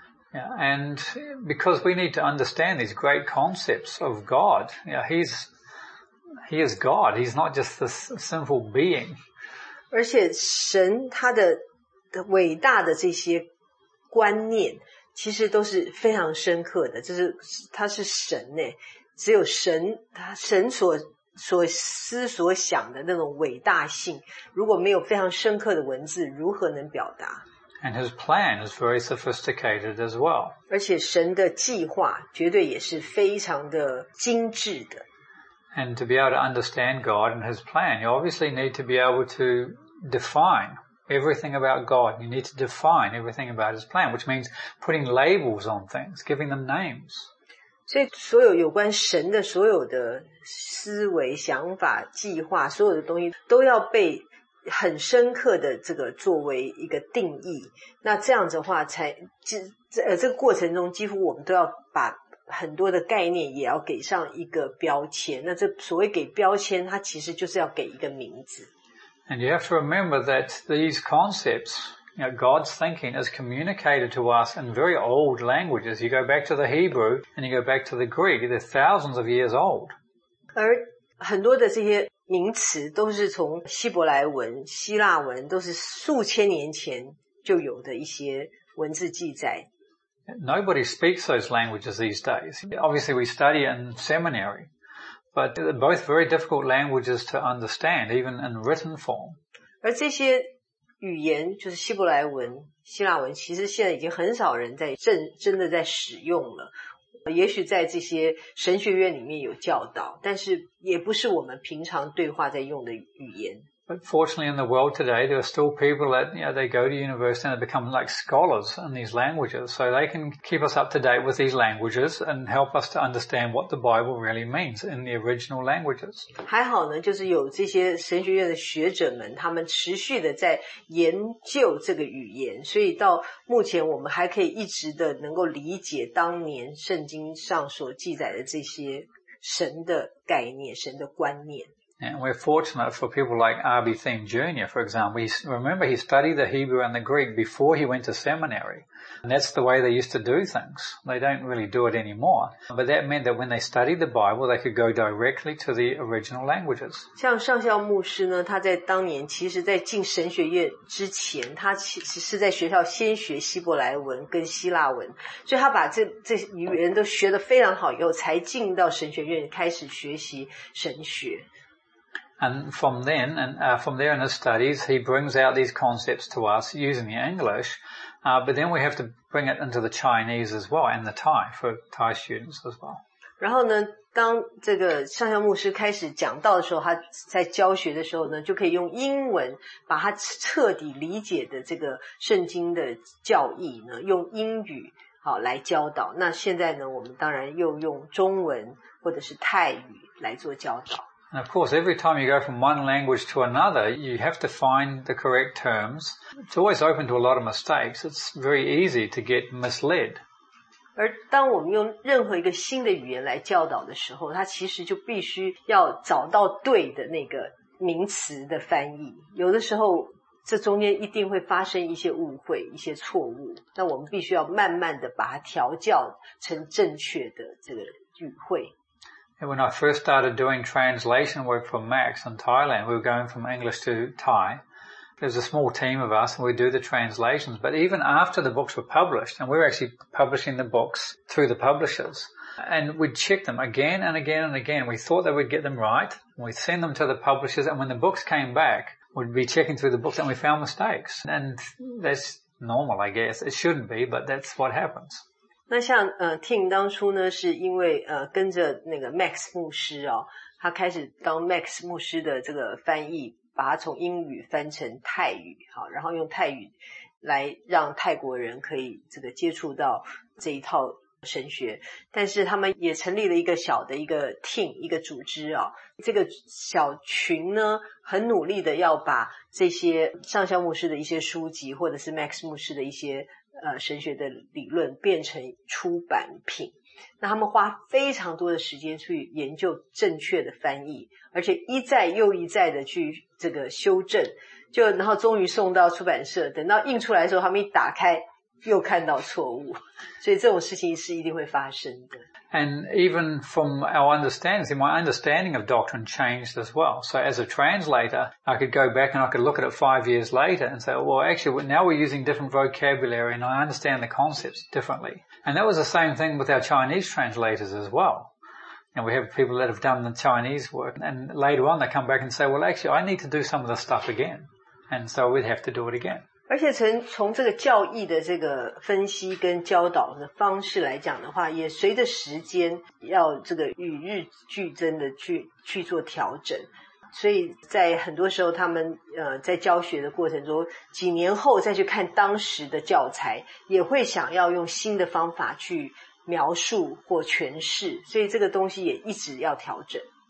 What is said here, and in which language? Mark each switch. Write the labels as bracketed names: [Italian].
[English] Yeah, and because we need to understand these great concepts of God, yeah, he is God. He's not just this simple being. [Chinese] 而且神他的伟大的这些观念其实都是非常深刻的，就是他是神耶，只有神，他神所思所想的那种伟大性，如果没有非常深刻的文字，如何能表达？ [English] And his plan is very sophisticated as well. [Chinese] 而且神的计划绝对也是非常的精致的。 [English] And to be able to understand God and his plan, you obviously need to be able to define everything about God. You need to define everything about his plan, which means putting labels on things, giving them names. [Chinese] 所以所有有关神的所有的思维、想法、计划，所有的东西都要被很深刻的这个作为一个定义，那这样子的话才这个过程中几乎我们都要把很多的概念也要给上一个标签。那这所谓给标签，它其实就是要给一个名字。 [English] And you have to remember that these concepts, you know, God's thinking is communicated to us in very old languages. You go back to the Hebrew and you go back to the Greek, they're thousands of years old. [Chinese] 而很多的这些名词都是从希伯来文、希腊文，都是数千年前就有的一些文字记载。 [English] Nobody speaks those languages these days. Obviously, we study in seminary, but they're both very difficult languages to understand, even in written form. [Chinese] 而这些语言就是希伯来文、希腊文，其实现在已经很少人在真的在使用了。也许在这些神学院里面有教导，但是也不是我们平常对话在用的语言。 [English] But fortunately in the world today, there are still people that, you know, they go to university and they become like scholars in these languages. So they can keep us up to date with these languages and help us to understand what the Bible really means in the original languages. [Chinese] 还好呢，就是有这些神学院的学者们，他们持续的在研究这个语言，所以到目前我们还可以一直的能够理解当年圣经上所记载的这些神的概念，神的观念。 [English] And we're fortunate for people like R.B. Thiem Jr., for example. Remember, he studied the Hebrew and the Greek before he went to seminary. And that's the way they used to do things. They don't really do it anymore. But that meant that when they studied the Bible, they could go directly to the original languages. [Chinese] 像上校牧师呢，他在当年其实在进神学院之前，他其实在学校先学希伯来文跟希腊文。所以他把这语言都学得非常好以后，才进到神学院开始学习神学。 [English] And from then, and from there in his studies, he brings out these concepts to us using the English, but then we have to bring it into the Chinese as well, and the Thai, for Thai students as well. [Chinese] 然后呢，当这个上校牧师开始讲道的时候，他在教学的时候呢，就可以用英文把他彻底理解的这个圣经的教义呢，用英语好来教导。那现在呢，我们当然又用中文或者是泰语来做教导。 [English] And of course, every time you go from one language to another, you have to find the correct terms. It's always open to a lot of mistakes. It's very easy to get misled. [Chinese] 而当我们用任何一个新的语言来教导的时候，它其实就必须要找到对的那个名词的翻译。有的时候，这中间一定会发生一些误会，一些错误。那我们必须要慢慢的把它调教成正确的这个语汇。 [English] When I first started doing translation work for Max in Thailand, we were going from English to Thai. There's a small team of us and we do the translations. But even after the books were published, and we were actually publishing the books through the publishers, and we'd check them again and again and again. We thought that we'd get them right. We'd send them to the publishers. And when the books came back, we'd be checking through the books and we found mistakes. And that's normal, I guess. It shouldn't be, but that's what happens. [Chinese] 那像Tim 当初呢是因为跟着那个 Max 牧师哦，他开始当 Max 牧师的这个翻译，把他从英语翻成泰语，好，然后用泰语来让泰国人可以这个接触到这一套神学。但是他们也成立了一个小的一个 team 一个组织哦，这个小群呢很努力的要把这些上校牧师的一些书籍或者是 Max 牧师的一些神学的理论变成出版品。那他们花非常多的时间去研究正确的翻译，而且一再又一再的去这个修正，就然后终于送到出版社，等到印出来的时候，他们一打开又看到错误，所以这种事情是一定会发生的。 [English] And even from our understanding, my understanding of doctrine changed as well. So as a translator, I could go back and I could look at it 5 years later and say, well, actually, now we're using different vocabulary and I understand the concepts differently. And that was the same thing with our Chinese translators as well. And we have people that have done the Chinese work and later on they come back and say, well, actually, I need to do some of the stuff again. And so we'd have to do it again. [Chinese] 而且从这个教义的这个分析跟教导的方式来讲的话，也随着时间要这个与日俱增的去做调整，所以在很多时候他们在教学的过程中，几年后再去看当时的教材，也会想要用新的方法去描述或诠释，所以这个东西也一直要调整。